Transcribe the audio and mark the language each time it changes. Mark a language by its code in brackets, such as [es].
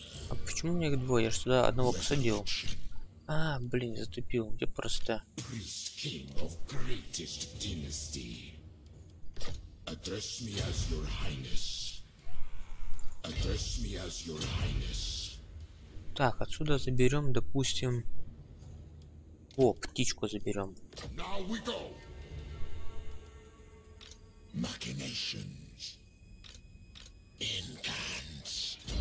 [ru] А почему у меня их двое? Я же сюда одного посадил. А, блин, затупил. Где просто? [en] King of greatest dynasty. Address me as your highness. Address me as your highness. [ru] Так, отсюда заберем, допустим. О, птичку заберем. [en] Now we go. Machinations. Incants.